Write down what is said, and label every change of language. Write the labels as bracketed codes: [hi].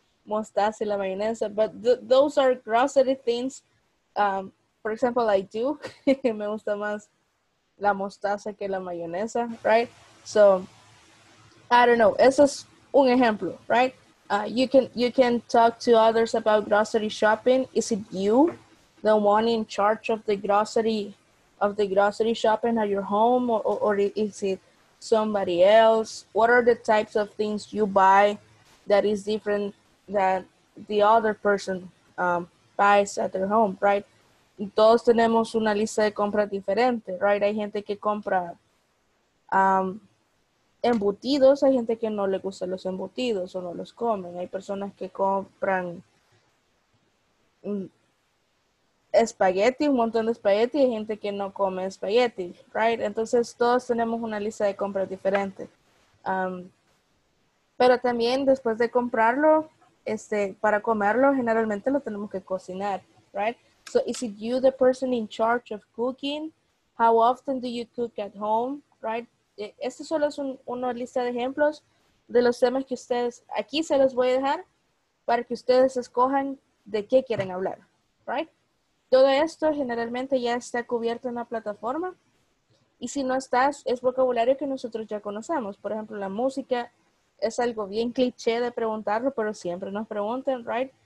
[en] mostaza y la mayonesa, but those are grocery things. For example, I do. [es] Me gusta más la mostaza que la mayonesa, right? [en] So, I don't know. Eso es un ejemplo, right? You can talk to others about grocery shopping. Is it you, the one in charge of the grocery shopping at your home, or is it somebody else? What are the types of things you buy that is different than the other person buys at their home, right? [es] Todos tenemos una lista de compras diferente, right? Hay gente que compra embutidos, hay gente que no le gusta los embutidos o no los comen. Hay personas que compran espagueti, un montón de espagueti, y hay gente que no come espagueti, right? Entonces, todos tenemos una lista de compras diferente. Pero también, después de comprarlo, para comerlo, generalmente lo tenemos que cocinar, right? [en] So, is it you the person in charge of cooking? How often do you cook at home, right? [es] Este solo es una lista de ejemplos de los temas que ustedes, aquí se los voy a dejar para que ustedes escojan de qué quieren hablar, right? Todo esto generalmente ya está cubierto en la plataforma. Y si no estás, es vocabulario que nosotros ya conocemos. Por ejemplo, la música es algo bien cliché de preguntarlo, pero siempre nos preguntan, right?